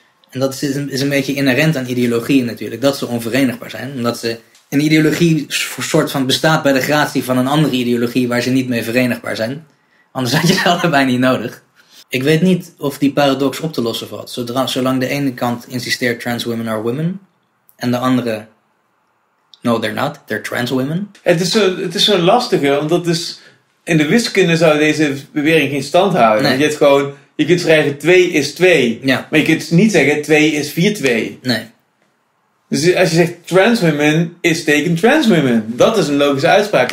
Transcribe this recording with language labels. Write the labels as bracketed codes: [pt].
[nl] En dat is een beetje inherent aan ideologieën natuurlijk. Dat ze onverenigbaar zijn. Omdat ze een ideologie soort van bestaat bij de gratie van een andere ideologie waar ze niet mee verenigbaar zijn. Anders had je ze allebei niet nodig. Ik weet niet of die paradox op te lossen valt. Zolang de ene kant insisteert [en] trans women are women. [nl] En de andere, [en] no they're not, they're trans women. [nl] Het is zo lastige, omdat dus in de wiskunde zou deze bewering geen stand houden. Nee. Want je kunt schrijven 2 is 2. Ja. Maar je kunt niet zeggen 2 is 4 2. Nee. Dus als je zegt [en] trans women is taken trans women. [nl] Dat is een logische uitspraak.